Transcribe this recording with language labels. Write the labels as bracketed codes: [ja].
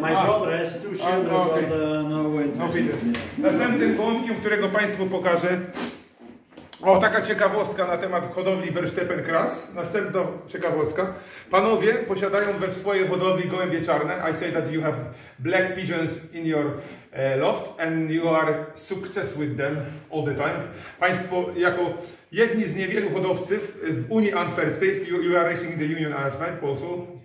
[en] My brother has two children, but no way. No pigeons. [pl] Następnym gołąbkiem, którego Państwu pokażę. O, taka ciekawostka na temat hodowli Verstappen-Kras. Następna ciekawostka. Panowie posiadają we swojej hodowli gołębie czarne. [en] I say that you have black pigeons in your loft and you are success with them all the time. [pl] Państwo jako jedni z niewielu hodowców w Unii Antwerpskiej, [en] you are racing in the Union Antwerp also.